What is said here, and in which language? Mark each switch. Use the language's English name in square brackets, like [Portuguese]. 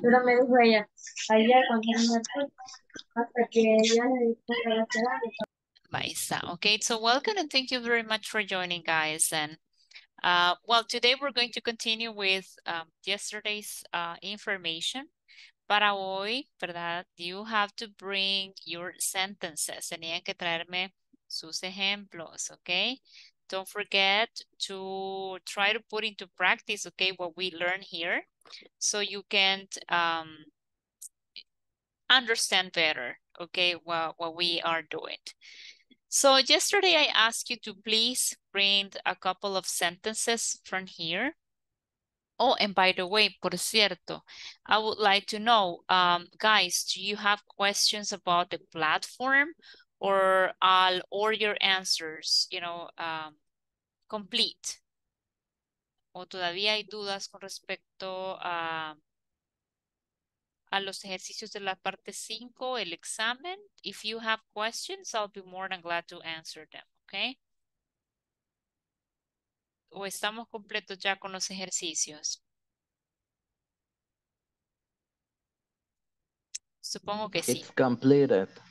[Spanish] Pero me dijo ella ayer cuando hasta que ella. [English] Okay, so welcome and thank you very much for joining, guys. And well, today we're going to continue with yesterday's information. [Spanish] Para hoy, ¿verdad? [English] You have to bring your sentences. [Spanish] Tenían que traerme sus ejemplos, okay? [English] Don't forget to try to put into practice, okay, what we learn here so you can understand better, okay, what we are doing. So yesterday I asked you to please bring a couple of sentences from here. Oh, and by the way, [Spanish] por cierto, [English] I would like to know, guys, do you have questions about the platform or are all your answers, you know, complete? [Spanish] ¿O todavía hay dudas con respecto a los ejercicios de la parte 5, el examen? [English] If you have questions, I'll be more than glad to answer them, okay? [Spanish] ¿O estamos completos ya con los ejercicios? Supongo que sí. [English] It's completed.